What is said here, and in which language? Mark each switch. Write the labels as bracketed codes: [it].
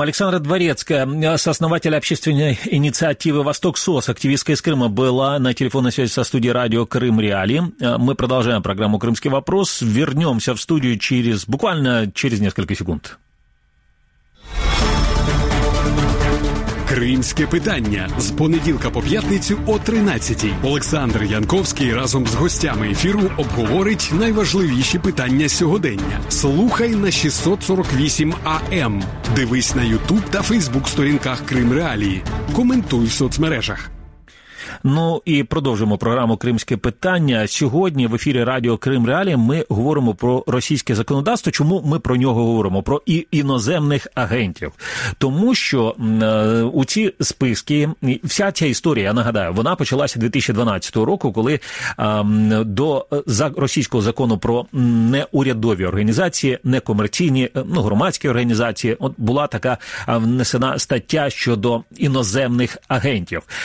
[ru] Александра Дворецкая, сооснователь общественной инициативы «Восток СОС», активистка из Крыма, была на телефонной связи со студией радио «Крым Реалии». Мы продолжаем программу «Крымский вопрос». Вернемся в студию через буквально через несколько секунд. [uk] Кримське питання з понеділка по п'ятницю о 13:00. Олександр Янковський разом з гостями ефіру обговорить найважливіші питання сьогодення. Слухай на 648 АМ. Дивись на YouTube та Facebook сторінках Крим Реалії. Коментуй в соцмережах. Ну і продовжимо програму «Кримське питання». Сьогодні в ефірі радіо «Крим Реалі» ми говоримо про російське законодавство. Чому ми про нього говоримо? Про іноземних агентів. Тому що у ці списки, вся ця історія, я нагадаю, вона почалася 2012 року, коли до російського закону про неурядові організації, некомерційні, ну, громадські організації, от була така внесена стаття щодо іноземних агентів.